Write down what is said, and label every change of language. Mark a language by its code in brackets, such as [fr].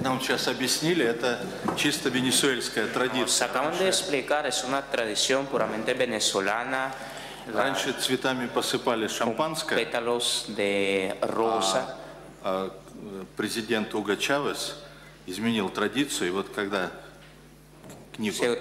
[ru] сейчас объяснили, это чисто венесуэльская традиция. [es] Acaban de explicar, es una tradición puramente venezolana. [ru] Раньше цветами посыпали шампанское. [es] Petalos de rosa. [ru] Президент Уго Чавес изменил традицию, и вот когда книгу